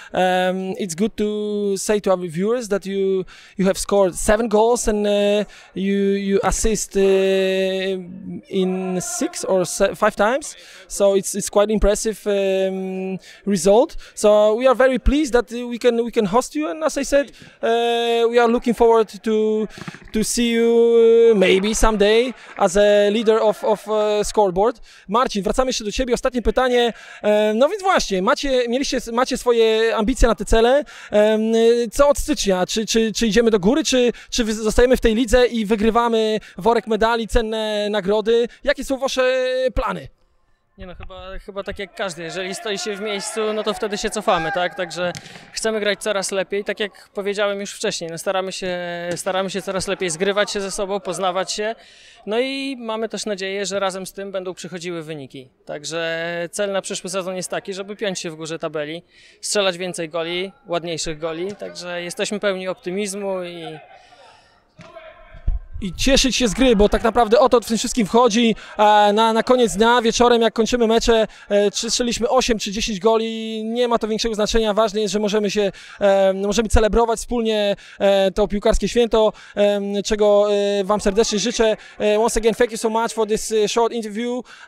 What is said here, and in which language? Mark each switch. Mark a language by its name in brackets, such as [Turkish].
[English] It's good to say to our viewers that you have scored 7 goals and you assist in 5 times. So it's quite impressive result. So we are very pleased that we can host you, and as I said, we are looking forward to see you maybe someday as a leader of scoreboard. [Polish] Marcin, wracamy jeszcze do ciebie. Ostatnie pytanie. No więc właśnie, macie swoje ambicje na te cele. Co od stycznia? Czy idziemy do góry, czy zostajemy w tej lidze i wygrywamy worek medali, cenne nagrody? Jakie są wasze plany? Nie no, chyba tak jak każdy, jeżeli stoi się w miejscu, no to wtedy się cofamy, tak? Także chcemy grać coraz lepiej, tak jak powiedziałem już wcześniej, no staramy się coraz lepiej zgrywać się ze sobą, poznawać się, no i mamy też nadzieję, że razem z tym będą przychodziły wyniki. Także cel na przyszły sezon jest taki, żeby piąć się w górze tabeli, strzelać więcej goli, ładniejszych goli, także jesteśmy pełni optymizmu i cieszyć się z gry, bo tak naprawdę o to w tym wszystkim wchodzi. Na koniec dnia, wieczorem, jak kończymy mecze, czy strzeliśmy 8 czy 10 goli, nie ma to większego znaczenia. Ważne jest, że możemy celebrować wspólnie to piłkarskie święto, czego wam serdecznie życzę. [English] Once again, thank you so much for this short interview.